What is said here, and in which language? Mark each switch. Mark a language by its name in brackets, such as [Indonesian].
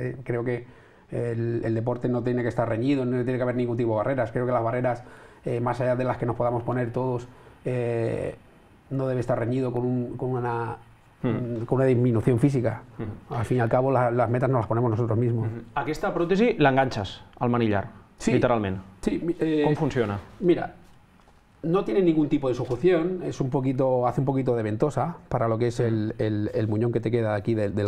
[Spanish] Creo que el deporte no tiene que estar reñido, no tiene que haber ningún tipo de barreras. Creo que las barreras, más allá de las que nos podamos poner todos, no debe estar reñido con una disminución física. Al fin y al cabo, las metas no las ponemos nosotros mismos. [Catalan] Aquesta prótesi l'enganxes al manillar, sí, literalment. Sí. ¿Com funciona? [Spanish] Mira, no tiene ningún tipo de sujeción, hace un poquito de ventosa para lo que es el muñón que te queda aquí del